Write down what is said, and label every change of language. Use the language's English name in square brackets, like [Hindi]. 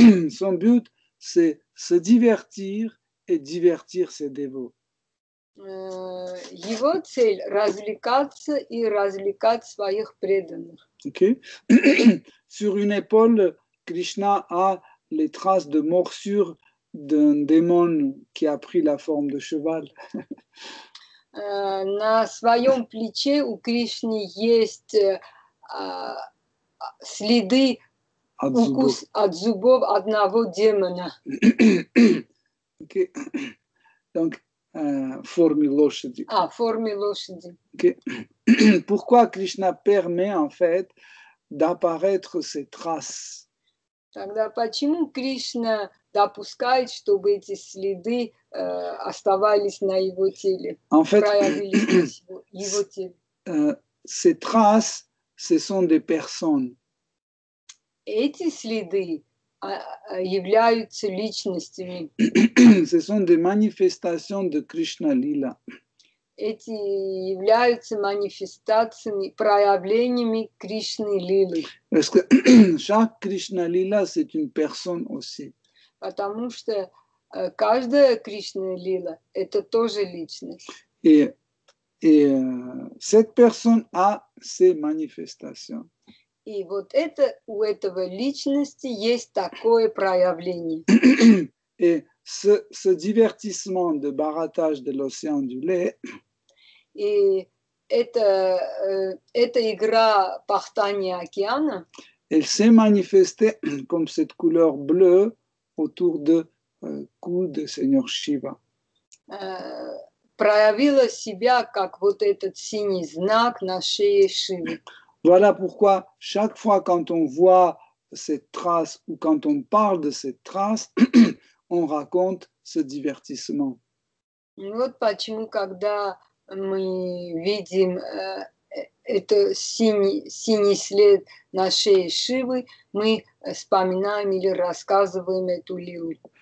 [French] Son but, c'est se divertir et divertir ses dévots. [Russian] Его цель – развлекаться и развлекать своих преданных. Okay. [French] Sur une épaule, Krishna a les traces de morsures d'un démon qui a pris la forme de cheval. [Russian] На своем плече у Кришны есть следы от укус зубов. От зубов одного демона. Okay. [French] Donc, [Russian] форме лошади. А, форме лошади. Okay. [French] Pourquoi Krishna permet en fait d'apparaître ces traces? [Russian] Тогда почему Кришна допускает, чтобы эти следы оставались на его теле? [French] En fait, [Russian] его теле. [French] Ces traces, ce sont des personnes. [Russian] Эти следы являются личностями. [French] Ce sont des manifestations de Krishna Lila. [Russian] Эти являются манифестациями, проявлениями Кришны Лилы. [French] Parce que chaque Krishna Lila, c'est une personne aussi. [Russian] Потому что каждая Кришна Лила – это тоже личность. [French] Et cette personne a ses manifestations. [Russian] И вот это, у этого личности есть такое проявление. [French] Et ce divertissement de barattage de l'océan du lait… [Russian] И эта игра пахтания океана. [French] Elle s'est manifestée comme cette couleur bleue autour de cou de Seigneur Shiva. [Russian] Проявила себя как вот этот синий знак на шее Шивы. [French] Voilà pourquoi chaque fois quand on voit cette trace ou quand on parle de cette trace, on raconte ce divertissement. [Russian] Вот почему когда мы видим это синий след на шее Шивы, мы вспоминаем или рассказываем эту лилу.